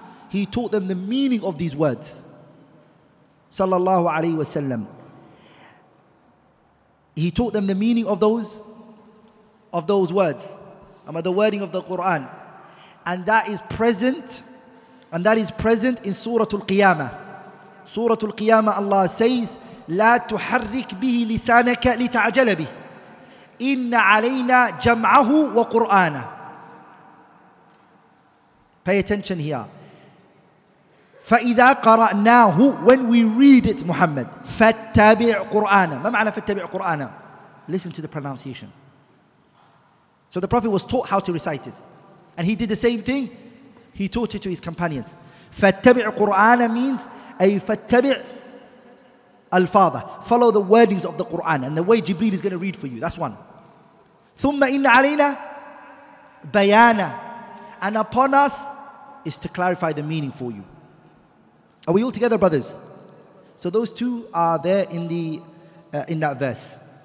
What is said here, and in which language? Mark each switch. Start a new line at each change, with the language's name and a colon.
English: He taught them the meaning of these words, sallallahu alayhi wa sallam. He taught them the meaning of those words, the wording of the Quran. And that is present in Surah Al-Qiyamah. Surah Al-Qiyamah, Allah says,
Arabic: لا تحرك به لسانك لتعجل به إن علينا جمعه وقرآنا.
English: Pay attention here.
Arabic: فإذا قرأناه,
English: when we read it, Muhammad,
Arabic: فاتبع قرآنا. ما معنى فاتبع قرآنا?
English: Listen to the pronunciation. So the Prophet was taught how to recite it, and he did the same thing. He taught it to his companions.
Arabic: فاتبع قرآنا
English: means
Arabic: أي فاتبع الفاظه.
English: Follow the wordings of the Quran and the way Jibreel is going to read for you. That's one.
Arabic: ثم إن علينا بيانا.
English: And upon us is to clarify the meaning for you. Are we all together, brothers? So those two are there in that verse.